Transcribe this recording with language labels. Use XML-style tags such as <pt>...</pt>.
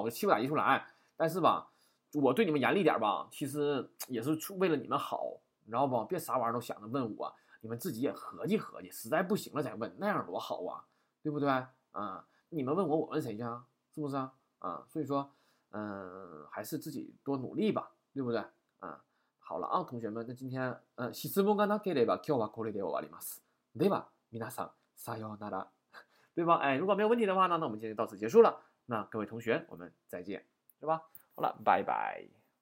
<zh>我气不打一处来，但是吧，我对你们严厉点吧，其实也是为了你们好，你知道吧？别啥玩意儿都想着问我。你们自己也合计合计，实在不行了再问，那样多好啊，对不对？啊，你们问我，我问谁去啊？是不是啊？啊，所以说，还是自己多努力吧，对不对？</zh> <ja>啊，</ja> <zh>好了啊，同学们，那今天，</zh> <ja>質問がなければ、今日はこれで終わります。では、皆さん、さようなら。</ja> <zh>对吧？哎，如果没有问题的话呢，那我们今天到此结束了。那各位同学，我们再见，是吧？好了，拜拜。</zh>